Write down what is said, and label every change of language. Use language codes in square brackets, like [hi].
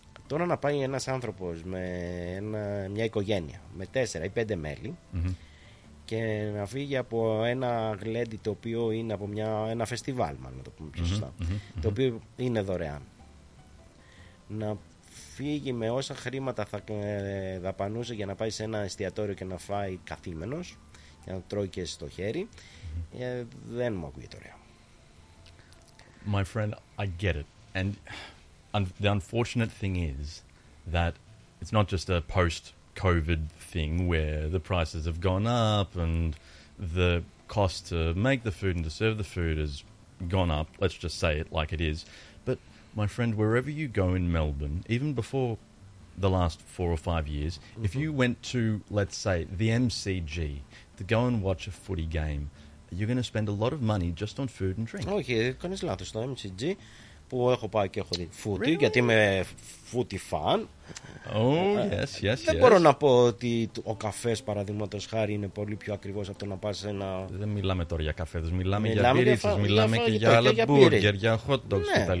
[el] Τώρα να πάει ένας άνθρωπος με μια οικογένεια με 4 ή 5 μέλη και να φύγει από ένα γλέντι το οποίο είναι από ένα φεστιβάλ, να το πούμε πιο σωστά, το οποίο είναι δωρεάν. Να φύγει με όσα χρήματα θα δαπανούσε για να πάει σε ένα εστιατόριο και να φάει καθήμενος για να τρώει και στο χέρι, δεν μου ακούγεται ωραία. [en] My friend, I get it. And the unfortunate thing is that it's not just a post-COVID thing where the prices have gone up and the cost to make the food and to serve the food has gone up. Let's just say it like it is. But my friend, wherever you go in Melbourne, even before the last 4 or 5 years, if you went to, let's say, the MCG to go and watch a footy game, you're going to spend a lot of money just on food and drink. [el] Όχι, κάνεις λάθος. Στο MCG που έχω πάει και έχω δει φούτι, really? Γιατί είμαι φούτι φαν. [en] Oh, yes, yes, [el] δεν μπορώ να πω ότι ο καφές, παραδείγματος χάρη, είναι πολύ πιο ακριβώς από το να πας σε ένα... Δεν μιλάμε τώρα για καφέδες, μιλάμε για πίρυθες, μιλάμε και για άλλα μπούργκερ, για hot dogs κτλ.